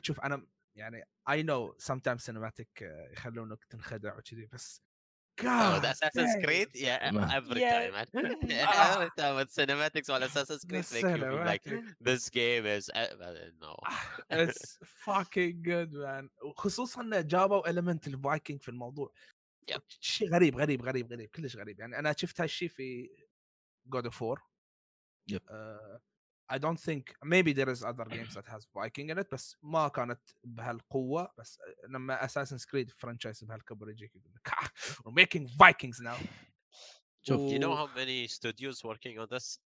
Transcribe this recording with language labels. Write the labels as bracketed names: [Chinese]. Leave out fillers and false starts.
[Arabic] شوف أنا يعني [English] I know sometimes cinematic [Arabic] يخلونك تنخدع وكذي بس. [English] God. Assassin's Creed. Yeah. Every time. With cinematics on Assassin's Creed make you feel like this game is. No. It's fucking good, man. [Arabic] خصوصاً جابوا element الفايكنج في الموضوع. [English] Yeah. [Arabic] شيء غريب غريب غريب غريب كلش غريب يعني أنا شفت هالشيء في God of War. [English] Yep. I don't think maybe there is other games that has Viking in it, but [Arabic] ما كانت بهالقوة. بس لما Assassin's Creed franchise بهالكبر يجيك يقول لك [English] we're making Vikings now. Do you know how many studios working on this?